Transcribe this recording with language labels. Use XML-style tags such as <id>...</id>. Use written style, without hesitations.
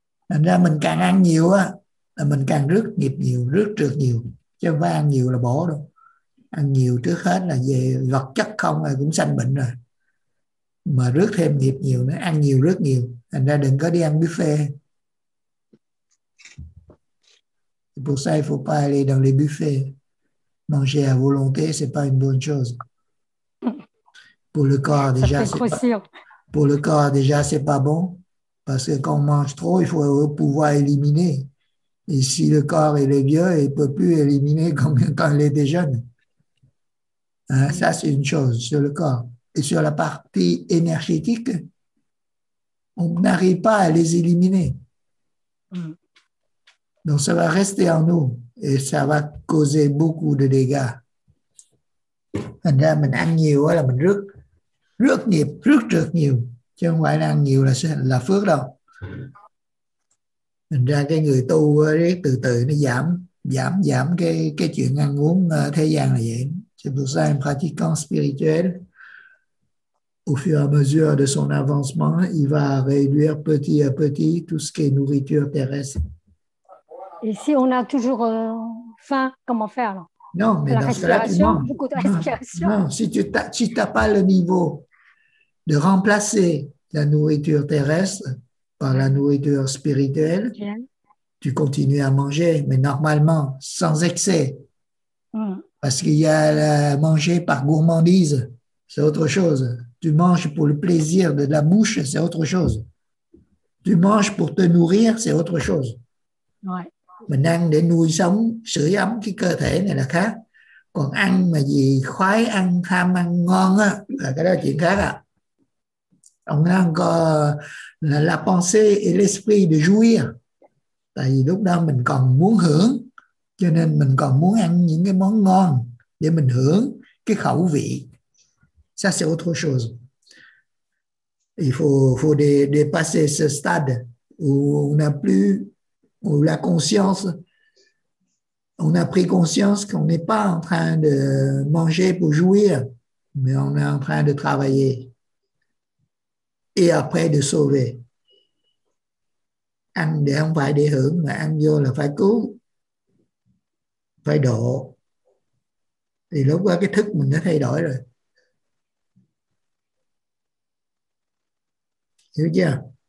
<vi>Nên là mình càng ăn nhiều á, là mình càng rước nghiệp nhiều, rước trượt nhiều. Chứ không phải ăn nhiều là bổ đâu. Ăn nhiều trước hết là về vật chất không rồi cũng sanh bệnh rồi. Mà rước thêm nghiệp nhiều nữa, ăn nhiều rước nhiều. Thành ra đừng có đi ăn buffet.</vi> <fr>Pour ça, il ne faut pas aller dans les buffets. Manger à volonté, ce n'est pas une bonne chose. Pour le corps déjà, c'est pas... Pour le corps, déjà, c'est pas bon. Parce que quand on mange trop, il faut pouvoir éliminer. Et si le corps il est vieux, il ne peut plus éliminer comme quand il était jeune. Hein, ça, c'est une chose sur le corps. Et sur la partie énergétique, on n'arrive pas à les éliminer. Donc, ça va rester en nous et ça va causer beaucoup de dégâts.</fr> <vi>Thành ra, mình ăn nhiều là mình rước, rước nghiệp, rước trượt nhiều. Chứ không phải là ăn nhiều là phước đâu. Thành ra cái người tu từ từ nó giảm cái chuyện ăn uống thế gian là vậy.</vi> <fr>C'est pour ça, un pratiquant spirituel, au fur et à mesure de son avancement, il va réduire petit à petit tout ce qui est nourriture terrestre. Et si on a toujours faim, comment faire alors? Non, mais la dans respiration, ce cas-là, beaucoup de respiration. Non, si tu n'as si t'as pas le niveau de remplacer la nourriture terrestre par la nourriture spirituelle, tu continues à manger, mais normalement, sans excès. Parce qu'il y a la manger par gourmandise, c'est autre chose. Tu manges pour le plaisir de la bouche, c'est autre chose. Tu manges pour te nourrir, c'est autre chose.</fr> <vi>Mình ăn để nuôi sống, sưởi ấm cái cơ thể này là khác. Còn ăn mà gì khoái ăn, tham ăn ngon á, là cái đó chuyện khác à.</vi> <fr>On a encore la pensée et l'esprit de jouir.</fr> <vi>Tại vì lúc đó mình còn muốn hưởng, cho nên mình còn muốn ăn những cái món ngon để mình hưởng cái khẩu vị.</vi> <fr>Ça, c'est autre chose. Il faut dépasser ce stade où on n'a plus, où la conscience, on a pris conscience qu'on n'est pas en train de manger pour jouir, mais on est en train de travailler. Et après de sauver.</fr> <vi>Ăn để không phải để hưởng, mà ăn vô là phải cứu, phải độ. Thì lúc qua cái thức mình đã thay đổi rồi. Hiểu chưa?</vi>